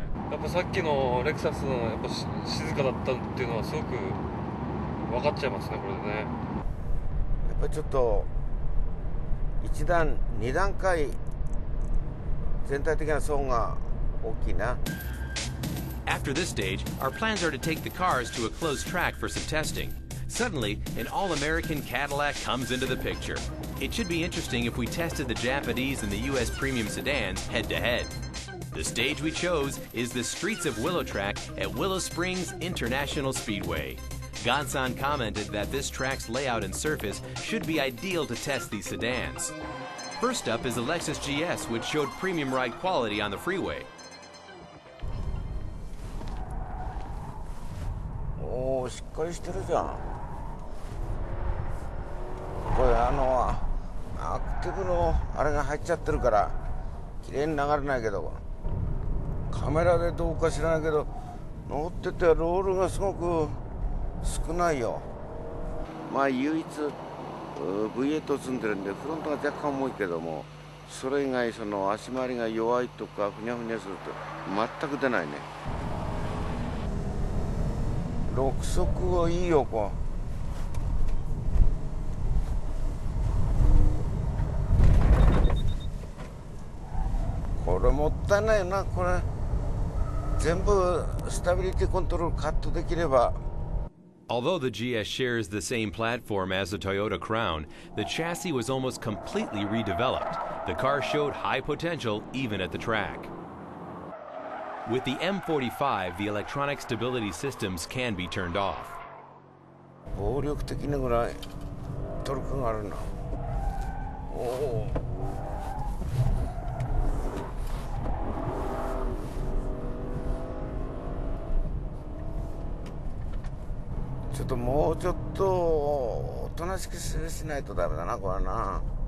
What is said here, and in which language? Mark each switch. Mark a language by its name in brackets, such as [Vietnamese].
[Japanese] やっぱさっきのレクサスのやっぱ静かだったっていうのはすごく分かっちゃいますね、これでね。やっぱりちょっと1段2段階全体的な層が大きいな。 [English] After this stage, our plans are to take the cars to a closed track for some testing. Suddenly, an all-American Cadillac comes into the picture. It should be interesting if we tested the Japanese and the U.S. premium sedans head-to-head. The stage we chose is the streets of Willow Track at Willow Springs International Speedway. Gansan commented that this track's layout and surface should be ideal to test these sedans. First up is the Lexus GS, which showed premium ride quality on the freeway. [Japanese] しっかりしてるじゃん。これ赤テブのあれが入っちゃってるから綺麗に流れないけど、カメラでどうか知らないけど乗っててロールがすごく少ないよ。まあ唯一 V8 積んでるんでフロントが若干重いけども、それ以外その足回りが弱いとかふにゃふにゃすると全く出ないね。六速はいいよ。こう これもったいないな。これ全部スタビリティコントロールカットできれば。 [English] Although the GS shares the same platform as the Toyota Crown, the chassis was almost completely redeveloped. The car showed high potential even at the track. With the M45, the electronic stability systems can be turned off. [Japanese] 暴力的なぐらいトルクがあるな。おお。ちょっともうちょっとおとなしくしないとダメだな、これな。